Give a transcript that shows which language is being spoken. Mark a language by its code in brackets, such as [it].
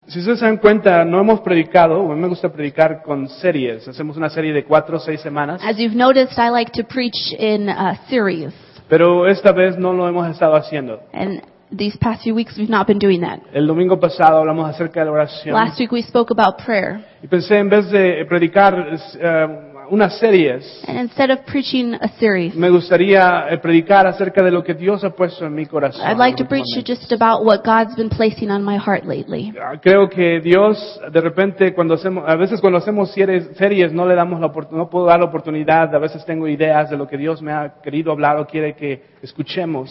[es] Si ustedes se dan cuenta, no hemos predicado. A mí me gusta predicar con series. Hacemos una serie de 4 o 6 semanas. [en] As you've noticed, I like to preach in a series. [es] Pero esta vez no lo hemos estado haciendo. [en] And these past few weeks, we've not been doing that. [es] El domingo pasado hablamos acerca de la oración. [en] Last week, we spoke about prayer. [es] Y pensé, en vez de predicar unas series, [en] and instead of preaching a series, [es] me gustaría predicar acerca de lo que Dios ha puesto en mi corazón. [en] I'd like to preach just about what God's been placing on my heart lately. [es] Creo que Dios, de repente, cuando hacemos series, no le damos no puedo dar la oportunidad. A veces tengo ideas de lo que Dios me ha querido hablar o quiere que escuchemos.